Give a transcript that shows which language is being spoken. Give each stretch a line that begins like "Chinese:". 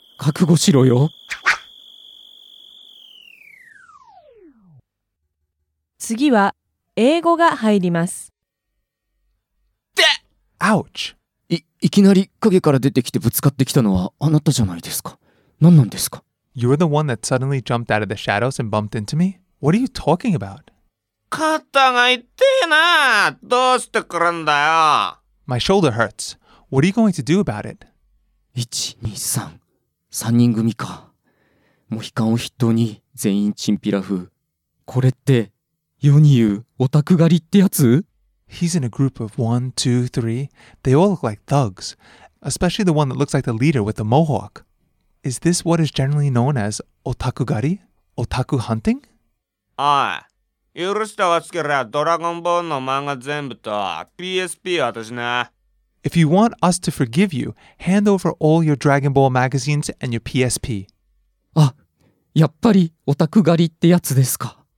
Japanese: 覚悟しろよ。次は英語が入ります。で、
English: Ouch。
Japanese: いきなり影から出てきてぶつかってきたのはあなたじゃないですか。何なんですか？
English: You're the one that suddenly jumped out of the shadows and bumped into me? What are you talking about?
Japanese: 肩が痛えな。どうしてくるんだよ。
English: My shoulder hurts. What are you going to do about it?
Japanese: 1、2、3、3人組か。モヒカンを筆頭に全員チンピラ風。これって世に言うオタク狩りってやつ？
English: He's in a group of 1, 2, 3. They all look like thugs, especially the one that looks like the leader with the mohawk. Is this what is generally known as オタク狩り? オタク hunting?
Japanese: おい、許してほしけりゃドラゴンボールの漫画全部と PSP 私ね。
English: If you want us to forgive you, hand over all your Dragon Ball magazines and your PSP.
Japanese: あ、やっぱりオタク狩りってやつですか。